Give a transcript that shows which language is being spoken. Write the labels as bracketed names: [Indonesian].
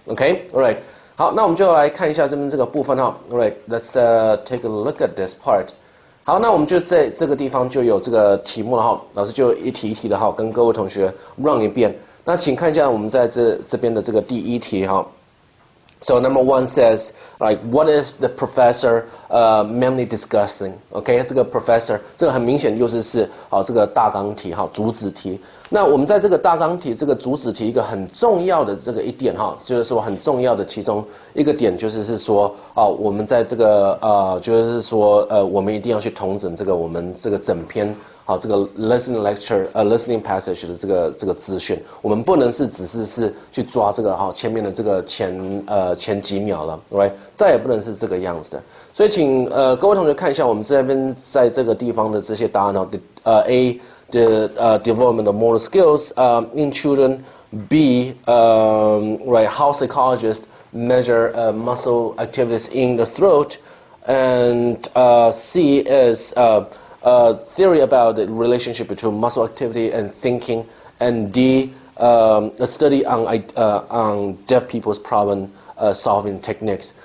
[Chinese] OK, alright, 好，那我们就来看一下这边这个部分哈。 [English] Alright, let's take a look at this part。 [Chinese] 好，那我们就在这个地方就有这个题目了哈，老师就一题一题的哈跟各位同学 run 一遍。那请看一下我们在这边的这个第一题哈。 [English] So number one says, like, what is the professor mainly discussing? [Chinese] Okay, 这个 professor, 这个很明显就是好这个大纲题哈，主旨题。那我们在这个大纲题、这个主旨题一个很重要的这个一点哈，就是说很重要的其中一个点就是说啊，我们在这个就是说我们一定要去统整这个我们这个整篇。好，这个 [English] listening lecture， listening passage [Chinese] 的这个资讯，我们不能是只是去抓这个哈前面的这个前几秒了 ，right？再也不能是这个样子的。所以请各位同学看一下我们这边在这个地方的这些答案哦。 [English] A the development of motor skills in children. B right how psychologists measure muscle activities in the throat. And C is a theory about the relationship between muscle activity and thinking, and D, a study on deaf people's problem solving techniques.